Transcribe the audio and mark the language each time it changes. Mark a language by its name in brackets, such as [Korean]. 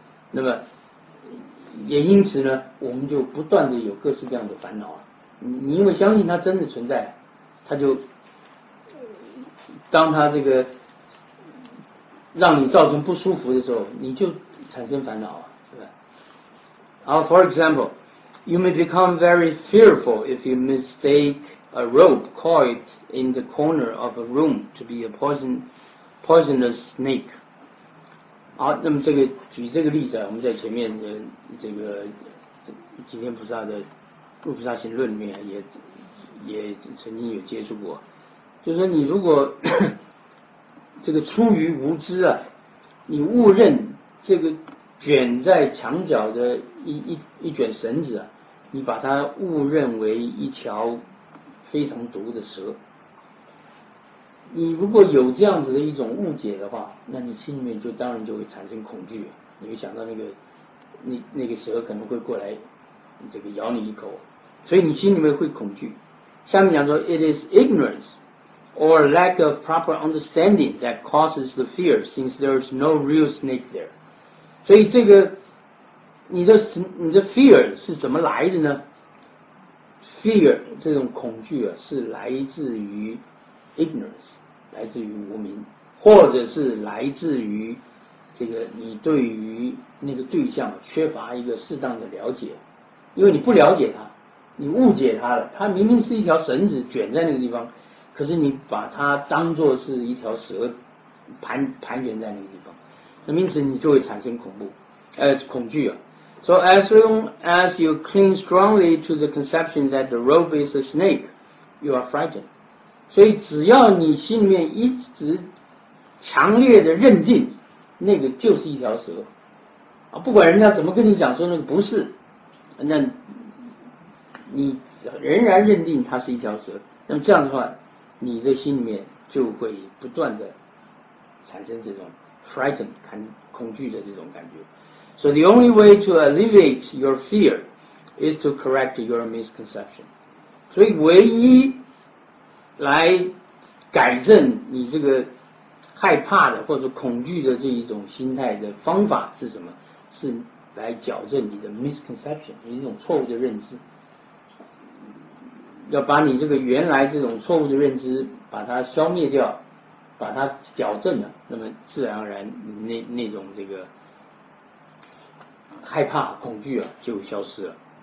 [Chinese] 那么也因此呢，我们就不断的有各式各样的烦恼。你因为相信它真的存在，它就当它这个让你造成不舒服的时候，你就产生烦恼，是吧？好 [English] ，For example， you may become very fearful if you mistake a rope coiled in the corner of a room to be a poisonous snake。 [Chinese] 好，那么这个举这个例子，我们在前面的这个今天菩萨的《入菩萨行论》里面也曾经有接触过，就是说你如果这个出于无知啊，你误认这个卷在墙角的一卷绳子啊，你把它误认为一条非常毒的蛇。你如果有这样子的一种误解的话，那你心里面就当然就会产生恐惧，你会想到那个蛇可能会过来这个咬你一口，所以你心里面会恐惧。下面讲说 [English] It is ignorance or lack of proper understanding that causes the fear since there is no real snake there。 [Chinese] 所以这个你的 fear 是怎么来的呢？ Fear 这种恐惧啊，是来自于ignorance， 来自于无明，或者是来自于这个你对于那个对象缺乏一个适当的了解。因为你不了解它，你误解它了，它明明是一条绳子卷在那个地方，可是你把它当作是一条蛇盘旋在那个地方，那因此你就会产生恐怖恐惧啊。 [English] So as long as you cling strongly to the conception that the rope is a snake, you are frightened. [Chinese] 所以只要你心里面一直强烈的认定那个就是一条蛇啊，不管人家怎么跟你讲说那个不是，那你仍然认定它是一条蛇，那么这样的话你的心里面就会不断的产生这种 frightened 恐惧的这种感觉。 [English] So the only way to alleviate your fear is to correct your misconception. [Chinese] 所以唯一来改正你这个害怕的或者恐惧的这一种心态的方法是什么？是来矫正你的 misconception， 你这种错误的认知，要把你这个原来这种错误的认知把它消灭掉，把它矫正了，那么自然而然那种这个害怕恐惧啊就消失了。